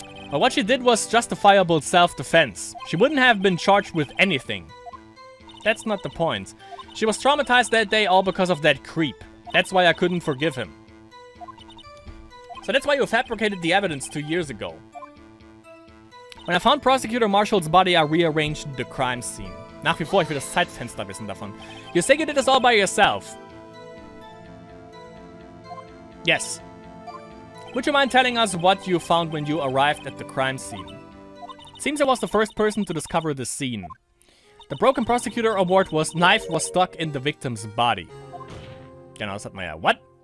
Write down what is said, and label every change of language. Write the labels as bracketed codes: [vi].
[en] But what she did was justifiable self-defense. She wouldn't have been charged with anything. That's not the point. She was traumatized that day all because of that creep. That's why I couldn't forgive him. So that's why you fabricated the evidence 2 years ago. When I found Prosecutor Marshall's body, I rearranged the crime scene. [de] Nach wie vor, ich will das Zeitfenster wissen davon. [en] You say you did this all by yourself. Yes. Would you mind telling us what you found when you arrived at the crime scene? Seems I was the first person to discover the scene. The broken prosecutor award was knife was stuck in the victim's body. [de] Genau, das hat man ja. [en] What?